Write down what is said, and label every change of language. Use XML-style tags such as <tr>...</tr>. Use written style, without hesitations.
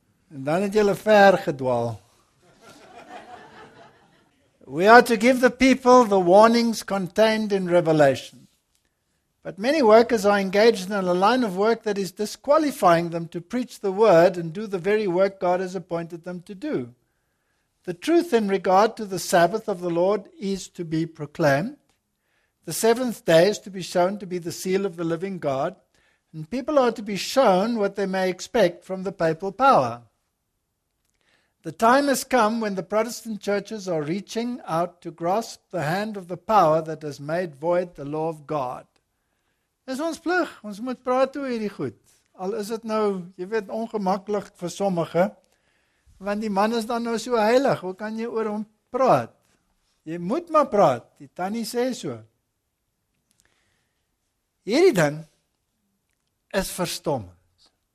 <af>En dan het julle ver gedwaal.</af> <en>We are to give the people the warnings contained in Revelation. But many workers are engaged in a line of work that is disqualifying them to preach the word and do the very work God has appointed them to do. The truth in regard to the Sabbath of the Lord is to be proclaimed. The seventh day is to be shown to be the seal of the living God. And people are to be shown what they may expect from the papal power. The time has come when the Protestant churches are reaching out to grasp the hand of the power that has made void the law of God.</en> <af>Dis ons plig, ons moet praat oor hierdie goed. Al is dit nou, jy weet, ongemaklik vir sommige, want die man is dan nou so heilig, hoe kan jy oor hom praat? Jy moet maar praat, die tannie sê so. Hierdie ding is verstommend.</af>